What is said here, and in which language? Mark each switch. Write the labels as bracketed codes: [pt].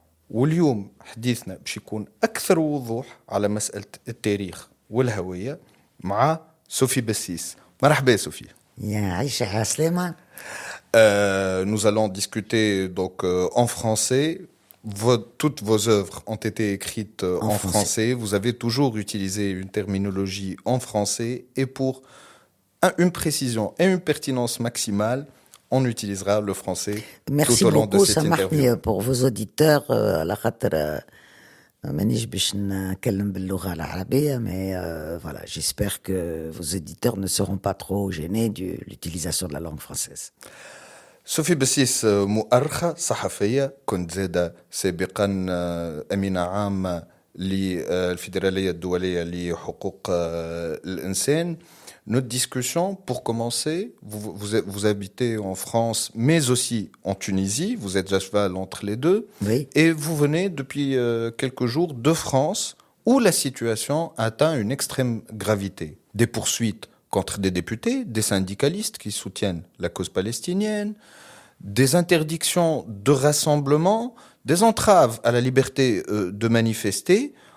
[ar] واليوم حديثنا باش يكون اكثر وضوح على مسألة التاريخ والهوية مع سوفي بسيس. مرحبا سوفي. يا عيشة يا سليمة. [fr] Nous allons discuter donc en français. Toutes vos œuvres ont été écrites en français. Vous avez toujours utilisé une terminologie en français. Et pour une précision et une pertinence maximale, on utilisera le français Merci tout au long beaucoup, de cette interview. Merci beaucoup, pour vos auditeurs. [ar] La khatra, manich bich nkellem bellougha l'arabia, [fr] mais voilà, j'espère que vos auditeurs ne seront pas trop gênés de l'utilisation de la langue française. [ar] سوفي بسيس مؤرخة صحفية، كنت زادة سابقا أمينة عامة للفيدرالية الدولية لحقوق الإنسان. [fr] Notre discussion pour commencer, vous habitez en France mais aussi en Tunisie, vous êtes à cheval entre les deux. Oui. Et vous venez depuis quelques jours de France où la situation atteint une extrême gravité. Des poursuites contre des députés, des syndicalistes qui soutiennent la cause palestinienne, des interdictions de rassemblement, des entraves à la liberté de manifester.